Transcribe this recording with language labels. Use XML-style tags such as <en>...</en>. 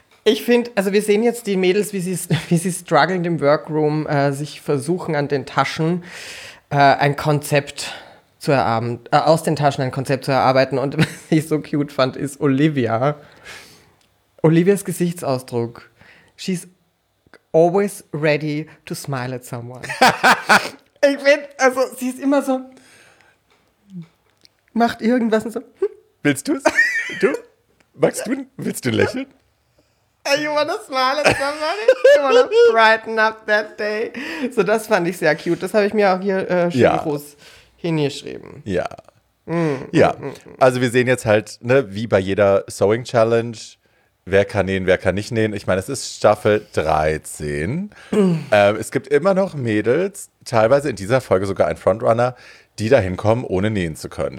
<de>Ich finde, also wir sehen jetzt die Mädels, wie sie strugglend im Workroom sich versuchen, an den Taschen ein Konzept zu erarbeiten, aus den Taschen ein Konzept zu erarbeiten. Und was ich so cute fand, ist Olivia. Olivias Gesichtsausdruck.</de> <en>She's always ready to smile at someone.</en> <de>Ich finde, also sie ist immer so, macht irgendwas und so. Willst du es? Du? Magst du? Willst du lächeln?</de> <en>You wanna smile at somebody? You wanna brighten up that day?</en> <de>So, das fand ich sehr cute. Das habe ich mir auch hier groß hingeschrieben. Ja. Ja. Also wir sehen jetzt halt, ne, wie bei jeder Sewing Challenge, wer kann nähen, wer kann nicht nähen. Ich meine, es ist Staffel 13. Es gibt immer noch Mädels, teilweise in dieser Folge sogar ein Frontrunner, die da hinkommen, ohne nähen zu können.</de>